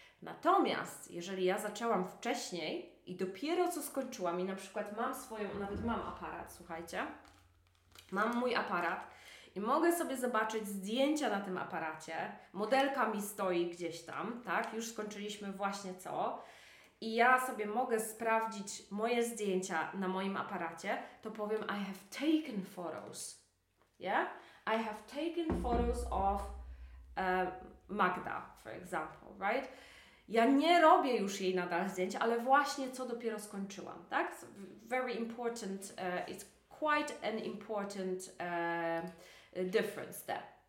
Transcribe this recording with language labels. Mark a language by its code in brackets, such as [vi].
[pl] Natomiast, jeżeli ja zaczęłam wcześniej i dopiero co skończyłam i na przykład mam aparat, słuchajcie, mam mój aparat i mogę sobie zobaczyć zdjęcia na tym aparacie, modelka mi stoi gdzieś tam, tak, już skończyliśmy właśnie co i ja sobie mogę sprawdzić moje zdjęcia na moim aparacie, to powiem, [en] I have taken photos. Yeah? I have taken photos of Magda, for example, right? [pl] Ja nie robię już jej nadal zdjęć, ale właśnie co dopiero skończyłam, tak? [en] So very important, it's quite an important difference there.